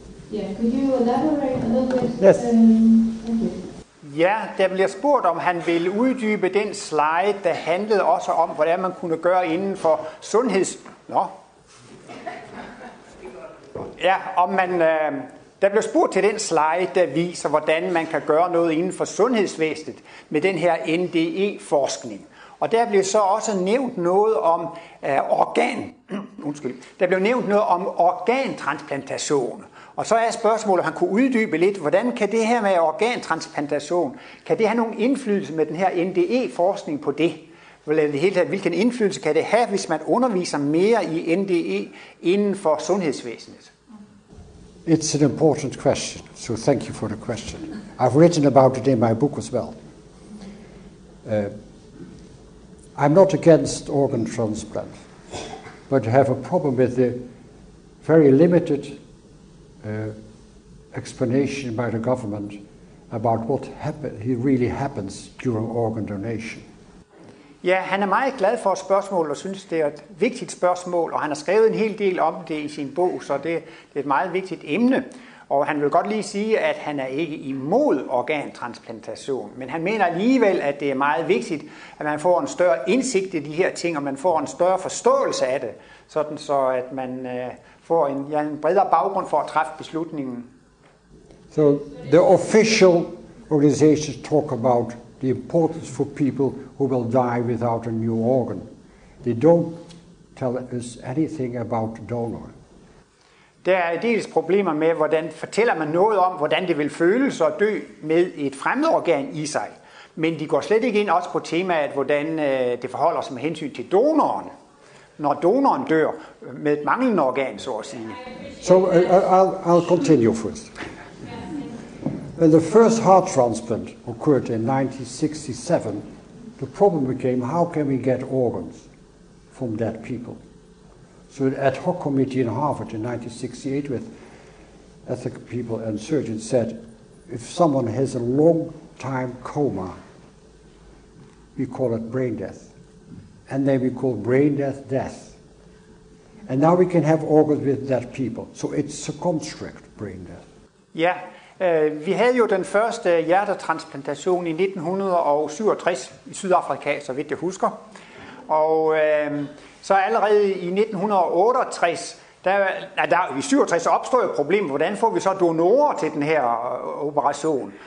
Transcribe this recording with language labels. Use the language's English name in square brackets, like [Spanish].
[English] Could you elaborate a little bit? Yes. Thank you. [Danish] Ja, der bliver spurgt, om han vil uddybe den slide, der handlede også om, hvordan man kunne gøre inden for sundheds... Nå. Ja, om man... Der bliver spurgt til den slide, der viser, hvordan man kan gøre noget inden for sundhedsvæsenet med den her NDE-forskning. Og der bliver så også nævnt noget om organ... Der bliver nævnt noget om organtransplantation. Og så er spørgsmålet, han kunne uddybe lidt, hvordan kan det her med organtransplantation, kan det have nogen indflydelse med den her NDE-forskning på det? Hvilken indflydelse kan det have, hvis man underviser mere i NDE inden for sundhedsvæsenet? [English] It's an important question, so thank you for the question. I've written about it in my book as well. I'm not against organ transplant, but I have a problem with the very limited explanation by the government about what really happens during organ donation. [Danish] Ja, han er meget glad for spørgsmålet og synes, det er et vigtigt spørgsmål, og han har skrevet en hel del om det i sin bog, så det er et meget vigtigt emne. Og han vil godt lige sige, at han er ikke imod organtransplantation, men han mener alligevel, at det er meget vigtigt, at man får en større indsigt i de her ting, og man får en større forståelse af det, sådan så at man får en bredere baggrund for at træffe beslutningen. [English] So the official organizations talk about the importance for people who will die without a new organ. They don't tell us anything about donor. [Danish] Der er dels problemer med, hvordan fortæller man noget om, hvordan det vil føles at dø med et fremmed organ i sig. Men de går slet ikke ind også på temaet, hvordan det forholder sig med hensyn til donoren, når donoren dør med et manglende organ, så at sige. [English] So I'll continue first. When the first heart transplant occurred in 1967, the problem became, how can we get organs from dead people? So an ad hoc committee in Harvard in 1968 with ethical people and surgeons said, if someone has a long time coma, we call it brain death. And then we call brain death death. And now we can have organs with dead people. So it's a construct, brain death. Yeah. [Danish] Vi havde jo den første hjertetransplantation i 1967 i Sydafrika, så vidt jeg husker. Og så allerede i 1967 opstod et problem, hvordan får vi så donorer til den her operation?